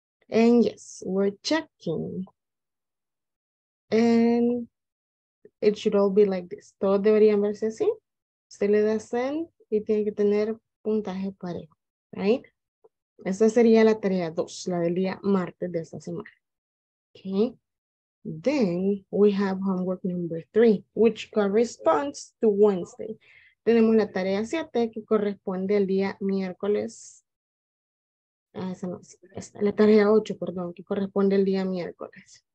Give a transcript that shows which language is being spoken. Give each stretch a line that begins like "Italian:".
English: And yes, we're checking. And it should all be like this.
Spanish: Todos deberían verse así. Usted le da send y tiene que tener puntaje parejo.
English: Right?
Spanish: Esa sería la tarea 2, la del día martes de esta semana.
English: Okay. Then we have homework number 3, which corresponds to Wednesday.
Spanish: Tenemos la tarea 7 que corresponde al día miércoles. Ah, esa no, esa, la tarea 8, perdón, que corresponde al día miércoles.